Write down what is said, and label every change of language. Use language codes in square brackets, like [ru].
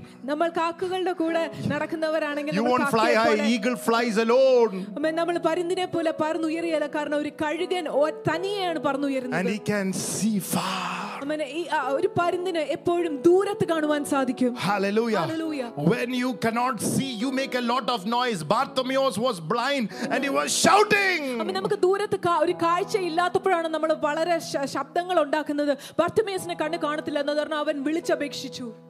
[ml] നമ്മൾ കാക്കകളുടെ കൂടെ നടക്കുന്നവരാണെങ്കിൽ [en] you won't fly high, eagle flies alone. [ml] അമ്മ നമ്മൾ പരിന്തിനെ പോലെ പറന്നുയരിയല്ല, കാരണം ഒരു കഴുകൻ തനിയെയാണ് പറന്നുയരുന്നത്. [en] And he can see far. [ml] ഒരു പരിന്തിനെ എപ്പോഴും ദൂരത്ത് കാണുവാൻ സാധിക്കും. [en] Hallelujah. Hallelujah. When you cannot see, you make a lot of noise. Bartimaeus was blind and he was shouting. [ml] അമ്മ നമുക്ക് ദൂരത്ത് ഒരു കാഴ്ച ഇല്ലാത്തപ്പോഴാണ് നമ്മൾ വളരെ ശബ്ദങ്ങൾ ഉണ്ടാക്കുന്നത്. ബാർത്തിമയസിനെ കണ്ണ് കാണത്തില്ല എന്ന് പറഞ്ഞ അവൻ വിളിച്ചപേക്ഷിച്ചു.